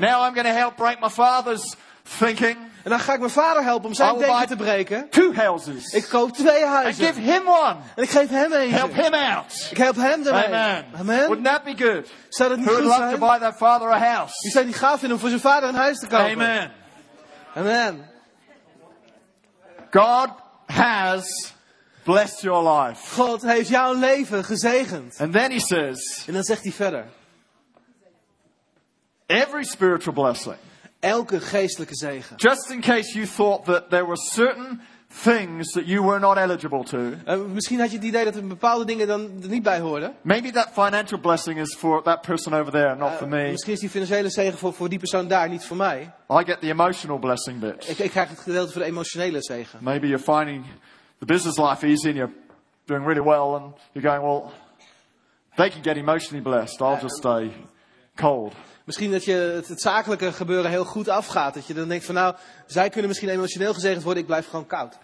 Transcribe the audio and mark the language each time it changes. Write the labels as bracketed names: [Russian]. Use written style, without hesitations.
[English] Now I'm going to help break my father's thinking. [Dutch] En dan ga ik mijn vader helpen om zijn denken te breken. [English] Two houses. [Dutch] Ik koop twee huizen. [English] And give him one. [Dutch] En ik geef hem een. [English] Help him out. [Dutch] Ik help hem ermee. [English] Amen. [Dutch] Amen. [English] Wouldn't that be good? [Dutch] Zou dat niet [English] Who [Dutch] goed [English] would love [Dutch] zijn? [English] To buy that father a house? [Dutch] Wie zou het niet gaaf vinden om voor zijn vader een huis te kopen? [English] Amen. [Dutch] Amen. [English] God has blessed your life. [Dutch] God heeft jouw leven gezegend. [English] And then he says, [Dutch] en dan zegt hij verder. [English] Every spiritual blessing. [Dutch] Elke geestelijke zegen. [English] Just in case you thought that there were certain things that you were not eligible to. [Dutch] Misschien had je het idee dat er bepaalde dingen dan er niet bij hoorden. [English] Maybe that financial blessing is for that person over there, not for me. [Dutch] Misschien is die financiële zegen voor die persoon daar, niet voor mij. [English] I get the emotional blessing bit. [Dutch] Ik krijg het gedeelte voor de emotionele zegen. [English] Maybe you're finding the business life easy and you're doing really well and you're going, well, they can get emotionally blessed. I'll just stay cold. [Dutch] Misschien dat je het zakelijke gebeuren heel goed afgaat. Dat je dan denkt van nou, zij kunnen misschien emotioneel gezegend worden, ik blijf gewoon koud.